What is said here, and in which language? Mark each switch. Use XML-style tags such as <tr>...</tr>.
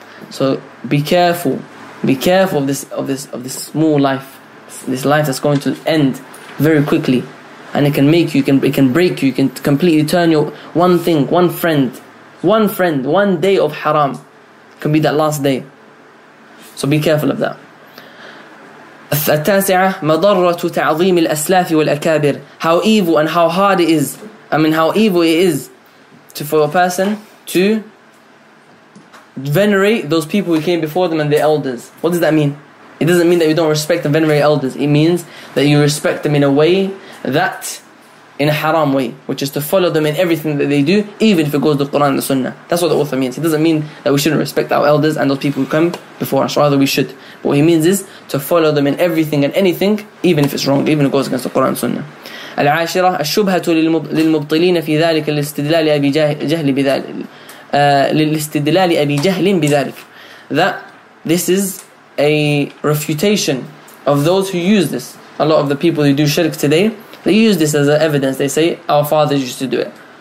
<en>So be careful. Be careful of this small life, this life that's going to end very quickly, and it can make you, it can break you, it can completely turn your one thing, one friend, one day of haram can be that last day. So be careful of that.</en> <ar>التاسعة مضرة تعظيم الأسلاف والأكابر.</ar> <en>How evil and how hard it is. I mean, how evil it is to, for a person to venerate those people who came before them and their elders. What does that mean? It doesn't mean that you don't respect and venerate elders. It means that you respect them in a way that, in a haram way, which is to follow them in everything that they do, even if it goes to the Quran and the Sunnah. That's what the author means. It doesn't mean that we shouldn't respect our elders and those people who come before us. Rather, we should. But what he means is to follow them in everything and anything, even if it's wrong, even if it goes against the Quran and Sunnah.</en> <ar>العاشرة الشبهة للمبطلين في ذلك الاستدلال أبي جهل بذلك. لِلِاسْتِدْلَالِ أَبِي جَهْلٍ بِذَلِكَ.</ar> <en>That this is a refutation of those who use this. A lot of the people who do shirk today, they use this as evidence. They say, our fathers used to do it.</en>